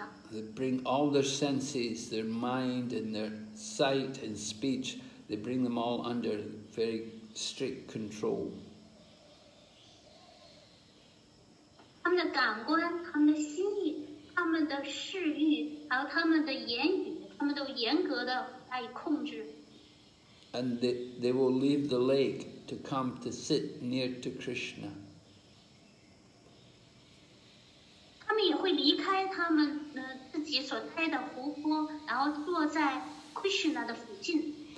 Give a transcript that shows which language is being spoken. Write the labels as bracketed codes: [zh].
[en] They bring all their senses, their mind and their sight and speech, they bring them all under very strict control. [zh] 他们的感官、他们的心意、他们的视域，还有他们的言语，他们都严格的加以控制。 [en] And they will leave the lake to come to sit near to Krishna. [zh] 他们也会离开他们自己所待的湖泊，然后坐在 Krishna 的附近。